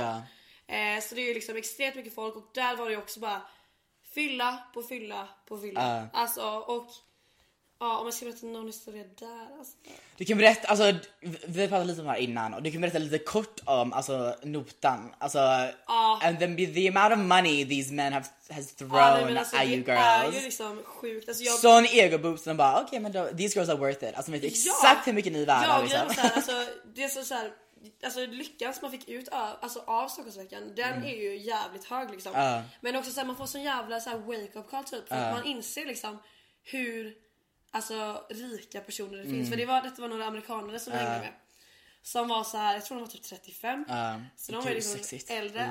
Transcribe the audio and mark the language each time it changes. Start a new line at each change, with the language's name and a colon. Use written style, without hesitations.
Swedish: Ja. Så det är ju liksom extremt mycket folk och där var det ju också bara fylla på fylla på fylla. Alltså, och ja, om jag ska berätta någon historia där. Alltså. Du kan berätta, alltså vi pratade lite om det här innan. Och du kan berätta lite kort om alltså notan.
English: Alltså, and the amount of money these men has thrown at you girls.
Swedish: Det är ju liksom sjukt. Alltså, sån ego-boost. Och de bara, okej, men då,
English: these girls are worth it.
Swedish: Alltså, vet exakt hur mycket ni är värda. Ja, liksom. Det är så här. Alltså lyckan som man fick ut av Stockholmsveckan, den är ju jävligt hög liksom. Men också såhär, man får sån jävla såhär wake up call typ, för att man inser liksom hur alltså rika personer det finns. För detta var några amerikaner som jag hängde med, som var så här, jag tror de var typ 35. Så de var ju liksom sexist. Äldre.